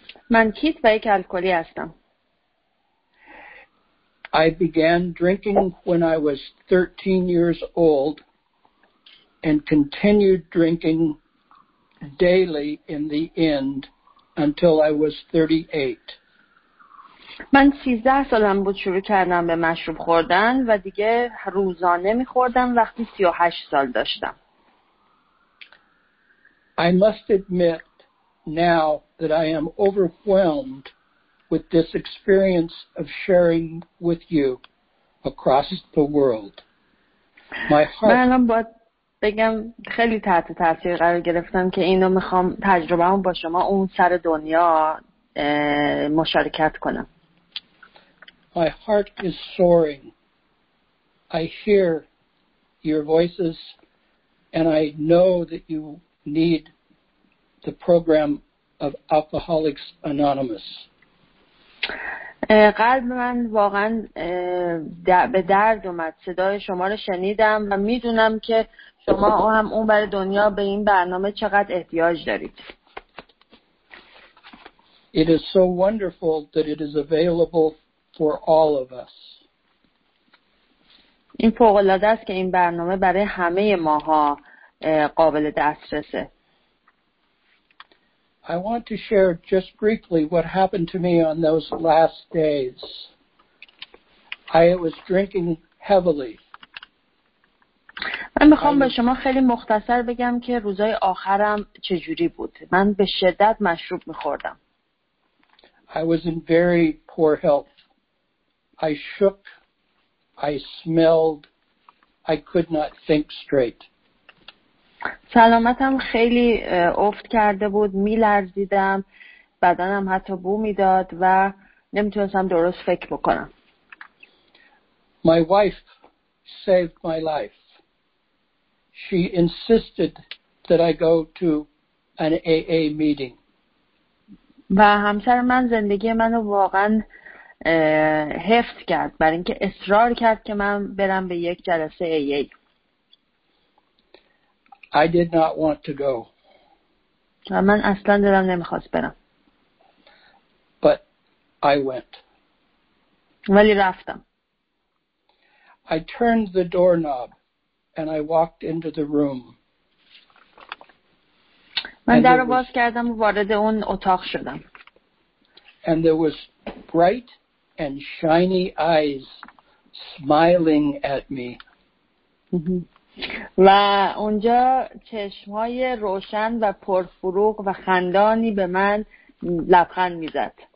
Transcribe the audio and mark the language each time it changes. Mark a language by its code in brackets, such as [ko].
[fa] من کیت و یک الکلی هستم. [en] I began drinking when I was 13 years old and continued drinking daily in the end until I was 38. [fa] من 13 سالم بود شروع کردم به مشروب خوردن و دیگه روزانه می‌خوردم وقتی 38 سال داشتم. [en] I must admit now that I am overwhelmed with this experience of sharing with you across the world. [fa] من باید بگم خیلی تحت تاثیر قرار گرفتم که اینو می‌خوام تجربه‌مو با شما اون سر دنیا مشارکت کنم. [en] My heart is soaring. I hear your voices and I know that you need the program of Alcoholics Anonymous. [fa] قلب من واقعا به درد اومد. صدای شما رو شنیدم و میدونم که شما هم اون بر دنیا به این برنامه چقدر احتیاج دارید. [en] It is so wonderful that it is available for all of us. [fa] این فوق العاده است که این برنامه برای همه ماها قابل دسترسه. [en] I want to share just briefly what happened to me on those last days. I was drinking heavily. [fa] من میخوام به شما خیلی مختصر بگم که روزای آخرم چجوری بود. من به شدت مشروب میخوردم. [en] I was in very poor health. I shook, I smelled, I could not think straight. [fa] سلامتم خیلی افت کرده بود، می‌لرزیدم، بدنم حتی بو می‌داد و نمی‌تونستم درست فکر بکنم. [en] My wife saved my life. She insisted that I go to an AA meeting. [fa] و همسر من زندگی منو واقعاً حفظ کرد، برای اینکه اصرار کرد که من برم به یک جلسه AA. [en] I did not want to go. [fa] من اصلا دلم نمیخواست برم. [en] But I went. [fa] ولی رفتم. [en] I turned the doorknob and I walked into the room. [fa] من در رو باز کردم و وارد اون اتاق شدم. [en] And there was bright and shiny eyes smiling at me. [fa] و اونجا چشم‌های روشن و پرفروغ و خندانی به من لبخند می‌زد.